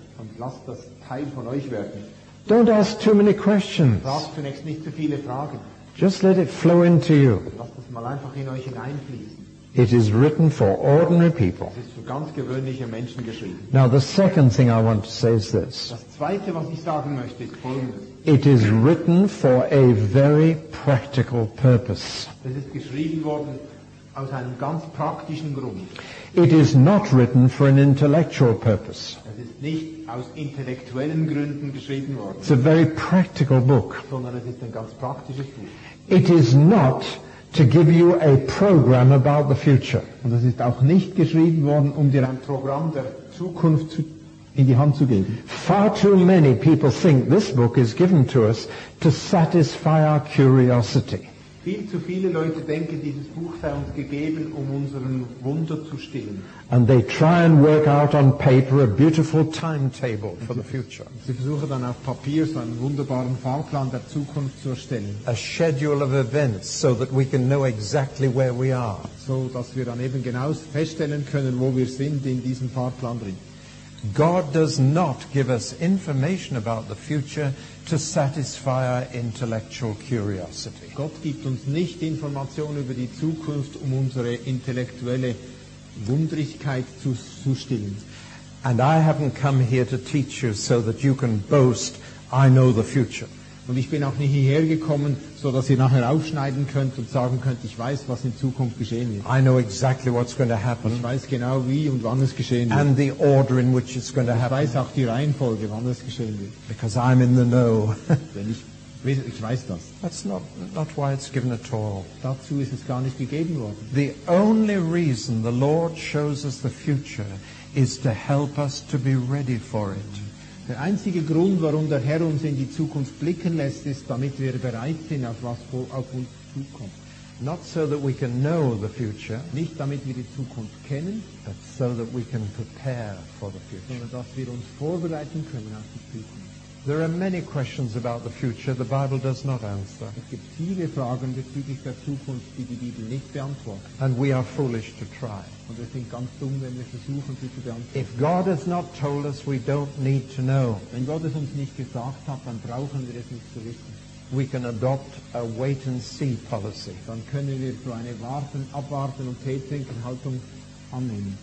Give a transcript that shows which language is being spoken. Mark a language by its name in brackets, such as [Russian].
[German] Und lasst das Teil von euch werden. [English] Don't ask too many questions. [German] Fragt zunächst nicht zu viele Fragen. [English] Just let it flow into you. [German] Lasst es mal einfach in euch hineinfließen. [English] It is written for ordinary people. [German] Es ist für ganz gewöhnliche Menschen geschrieben. [English] Now the second thing I want to say is this. [German] Das Zweite, was ich sagen möchte, ist Folgendes. [English] It is written for a very practical purpose. [German] Es ist geschrieben worden aus einem ganz praktischen Grund. [English] It is not written for an intellectual purpose. [German] Es ist nicht aus intellektuellen Gründen geschrieben worden. [English] It's a very practical book. [German] Sondern es ist ein ganz praktisches Buch. [English] It is not to give you a program about the future. [German] Und es ist auch nicht geschrieben worden, um dir ein Programm der Zukunft zu in die Hand zu geben. [English] Far too many people think this book is given to us to satisfy our curiosity. [German] Viel zu viele Leute denken, dieses Buch sei uns gegeben, um unseren Wunder zu stillen. [English] And they try and work out on paper a beautiful timetable for the future. [German] Sie versuchen dann auf Papier so einen wunderbaren Fahrplan der Zukunft zu erstellen. [English] A schedule of events so that we can know exactly where we are. [German] So dass wir dann eben genau feststellen können, wo wir sind in diesem Fahrplan drin. [English] God does not give us information about the future to satisfy our intellectual curiosity. [German] Gott gibt uns nicht Informationen über die Zukunft, um unsere intellektuelle Wundrigkeit zu stillen. [English] And I haven't come here to teach you so that you can boast, I know the future. [German] Und ich bin auch nicht hierher gekommen, so dass ihr nachher aufschneiden könnt und sagen könnt, ich weiß, was in Zukunft geschehen wird. [English] I know exactly what's going to happen. [German] Ich weiß genau, wie und wann es geschehen wird. [English] And the order in which it's going to happen. [German] Ich weiß auch die Reihenfolge, wann es geschehen wird. [English] Because I'm in the know. [German] Denn ich weiß das. [English] That's not why it's given at all. [German] Dazu ist es gar nicht gegeben worden. [English] The only reason the Lord shows us the future is to help us to be ready for it. [German] Der einzige Grund, warum der Herr uns in die Zukunft blicken lässt, ist, damit wir bereit sind, auf was auf uns zukommt. [English] Not so that we can know the future, [German] nicht damit wir die Zukunft kennen, [English] but so that we can prepare for the future, [German] sondern dass wir uns vorbereiten können auf die Zukunft. [English] There are many questions about the future the Bible does not answer. [German] Es gibt viele Fragen bezüglich der Zukunft, die die Bibel nicht beantwortet. [English] And we are foolish to try. [German] Und wir sind ganz dumm, wenn wir versuchen, sie zu beantworten. [English] If God has not told us, we don't need to know. [German] Wenn Gott es uns nicht gesagt hat, dann brauchen wir es nicht zu wissen. [English] We can adopt a wait and see policy. [German] Dann können wir so eine Warten, Abwarten und Tee trinken Haltung annehmen.